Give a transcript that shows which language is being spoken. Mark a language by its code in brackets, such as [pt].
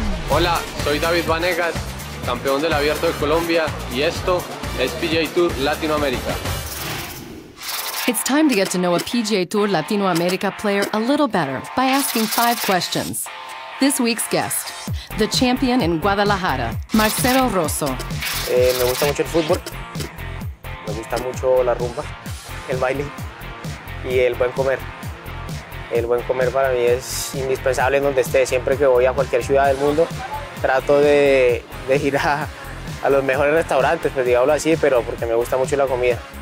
[es] Hola, soy David Vanegas, campeón del Abierto de Colombia, y esto es PGA Tour Latinoamérica. [en] It's time to get to know a PGA Tour Latinoamérica player a little better by asking five questions. This week's guest, the champion in Guadalajara, Marcelo Rosso. [es] Me gusta mucho el fútbol, me gusta mucho la rumba, el baile y el buen comer. El buen comer para mí es indispensable en donde esté. Siempre que voy a cualquier ciudad del mundo, trato de ir a los mejores restaurantes, pues digámoslo así, pero porque me gusta mucho la comida.